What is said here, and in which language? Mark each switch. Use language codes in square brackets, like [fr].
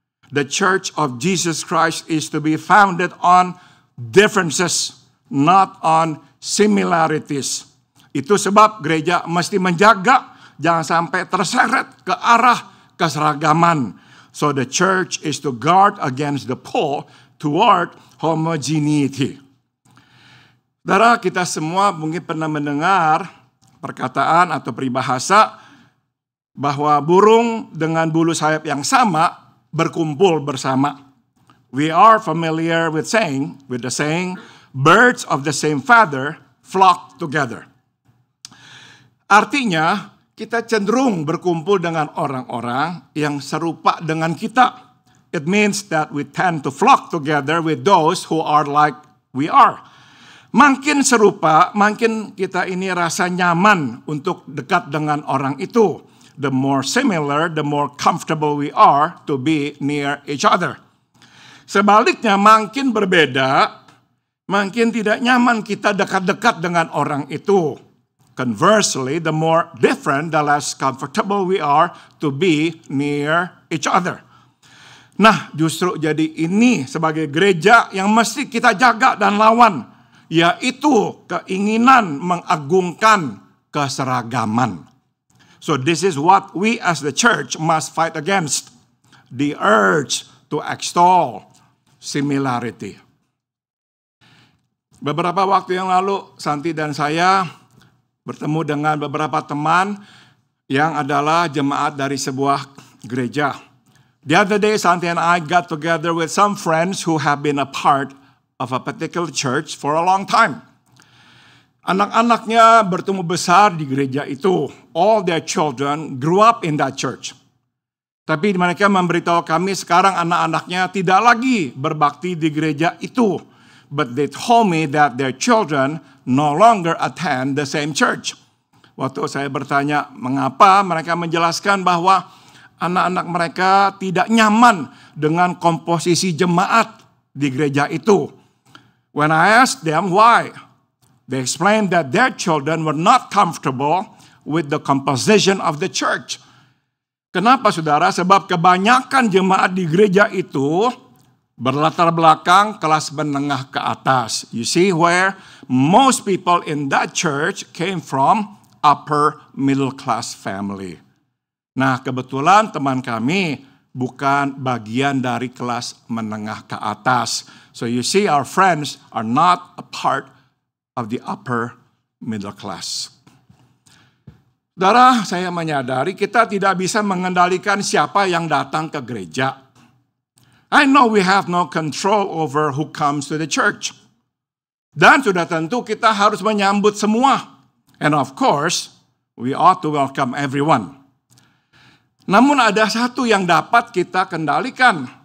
[en] The Church of Jesus Christ is to be founded on differences, not on similarities. [id] Itu sebab gereja mesti menjaga jangan sampai terseret ke arah keseragaman. [en] So the church is to guard against the pull toward homogeneity. [id] Saudara, kita semua mungkin pernah mendengar perkataan atau peribahasa bahwa burung dengan bulu sayap yang sama berkumpul bersama. [en] We are familiar with the saying, birds of the same feather flock together. [id] Artinya, kita cenderung berkumpul dengan orang-orang yang serupa dengan kita. [en] It means that we tend to flock together with those who are like we are. [id] Makin serupa, makin kita ini rasa nyaman untuk dekat dengan orang itu. [en] The more similar, the more comfortable we are to be near each other. [id] Sebaliknya, makin berbeda, makin tidak nyaman kita dekat-dekat dengan orang itu. [en] Conversely, the more different, the less comfortable we are to be near each other. [id] Nah, justru jadi ini sebagai gereja yang mesti kita jaga dan lawan, yaitu keinginan mengagungkan keseragaman. [en] So this is what we as the church must fight against, the urge to extol similarity. [id] Beberapa waktu yang lalu, Santi dan saya bertemu dengan beberapa teman yang adalah jemaat dari sebuah gereja. [en] The other day, Santi and I got together with some friends who have been a part of a particular church for a long time. [id] Anak-anaknya bertumbuh besar di gereja itu. [en] All their children grew up in that church. [id] Tapi mereka memberitahu kami sekarang anak-anaknya tidak lagi berbakti di gereja itu. [en] But they told me that their children no longer attend the same church. [id] Waktu saya bertanya mengapa, mereka menjelaskan bahwa anak-anak mereka tidak nyaman dengan komposisi jemaat di gereja itu. [en] When I asked them why, they explained that their children were not comfortable with the composition of the church. Kenapa, saudara? [id] Sebab kebanyakan jemaat di gereja itu berlatar belakang kelas menengah ke atas. [en] You see where most people in that church came from upper middle class family. [id] Nah, kebetulan teman kami bukan bagian dari kelas menengah ke atas. [en] So you see, our friends are not a part of the upper middle class. [id] Saudara, saya menyadari kita tidak bisa mengendalikan siapa yang datang ke gereja. [en] I know we have no control over who comes to the church. [id] Dan sudah tentu kita harus menyambut semua. [en] And of course, we ought to welcome everyone. [id] Namun ada satu yang dapat kita kendalikan.